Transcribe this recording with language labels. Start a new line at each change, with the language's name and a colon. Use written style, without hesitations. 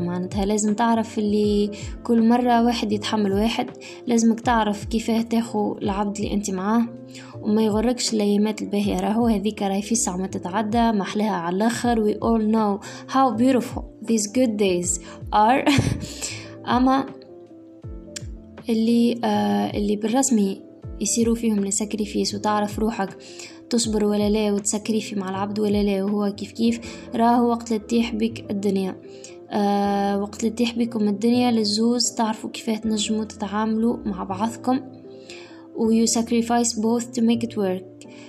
Arabic: معناتها لازم تعرف اللي كل مرة واحد يتحمل واحد, لازمك تعرف كيفاه تاخو العبد اللي انت معاه وما يغركش الأيامات الباهية. راهو هذيك راهي فيسع ما تتعدى محلها على الاخر.
English: We all know how beautiful these good days are.
Arabic: اما اللي بالرسمي يصيروا فيهم لساكريفيس وتعرف روحك تصبر ولا لا وتسكريفي مع العبد ولا لا وهو كيف كيف, راهو وقت لتيح بك الدنيا. وقت لتيح بكم الدنيا للزوز تعرفوا كيف تنجموا تتعاملوا مع بعضكم ويو
English: sacrifice both to make it work.